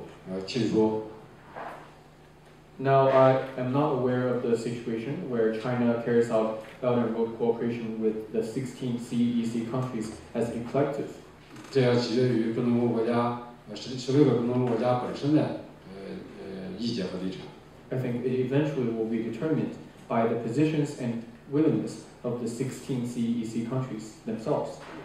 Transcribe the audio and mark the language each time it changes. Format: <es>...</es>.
<zh>那么，中国跟把16个中东欧国家作为一个整体来开展一个“一带一路”建设，目前还没有签说。</zh> <en>Now I am not aware of the situation where China carries out Belt and Road cooperation with the 16 CEC countries as a collective.</en> <zh>这要取决于中东欧国家16个中东欧国家本身的意见和立场。</zh> <en>I think it eventually will be determined by the positions and willingness of the 16 CEC countries themselves.</en>